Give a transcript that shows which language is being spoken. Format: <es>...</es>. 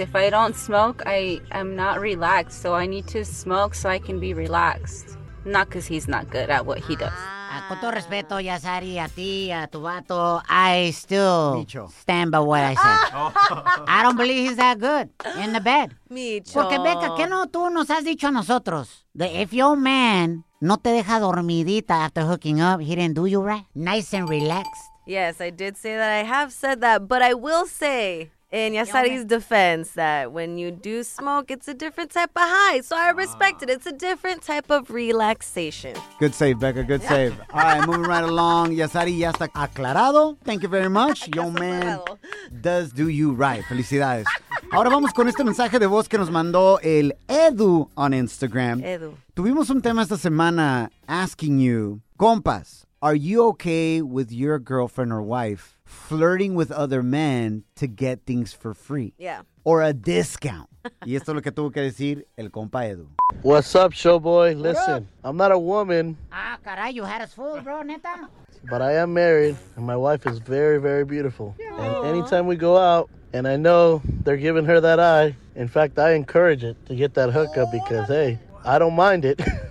<en>If I don't smoke, I'm not relaxed. So I need to smoke so I can be relaxed. Not because he's not good at what he does.</en> <es>Con todo respeto, Yasari, a ti, a tu vato,</es> <en>I still Micho. Stand by what I said. I don't believe he's that good in the bed. Micho.</en> <es>Porque, Becca, ¿qué no tú nos has dicho a nosotros?</es> <en>That if your man</en> <es>no te deja dormidita</es> <en>after hooking up, he didn't do you right, nice and relaxed. Yes, I did say that. I have said that. But I will say, in Yasari's defense, that when you do smoke, it's a different type of high. So I respect it. It's a different type of relaxation. Good save, Becca. Good save. All right, moving right along.</en> <es>Yasari ya está aclarado.</es> <en>Thank you very much. Your man does do you right. Felicidades.</en> <es>Ahora vamos con este mensaje de voz que nos mandó el Edu on Instagram. Edu. Tuvimos un tema esta semana</es> <en>asking you, compas, are you okay with your girlfriend or wife flirting with other men to get things for free? Yeah. Or a discount.</en> <es>Y esto es lo que tuvo que decir el compa Edu.</es> <en>What's up, showboy? Listen, I'm not a woman.</en> <es>Ah, caray,</es> <en>you had us fooled, bro, neta. But I am married, and my wife is very, very beautiful. Yeah. And anytime we go out, and I know they're giving her that eye, in fact, I encourage it to get that hookup because, hey, I don't mind it.</en>